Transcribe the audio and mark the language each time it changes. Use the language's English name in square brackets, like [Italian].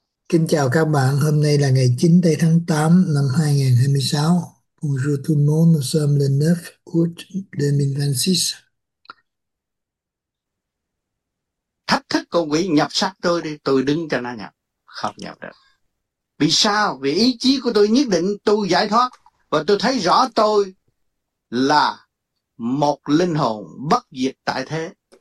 [Vietnamese] Kính chào các bạn, hôm nay là ngày 9 tây tháng 8 năm 2026. [French] Bonjour tout le monde, nous sommes le 9 août 2026. [Vietnamese] Thách thức con quỷ nhập xác tôi đi, tôi đứng cho nó nhập. Không nhập được. Vì sao? Vì ý chí của tôi nhất định tôi giải thoát. Và tôi thấy rõ tôi là một linh hồn bất diệt tại thế.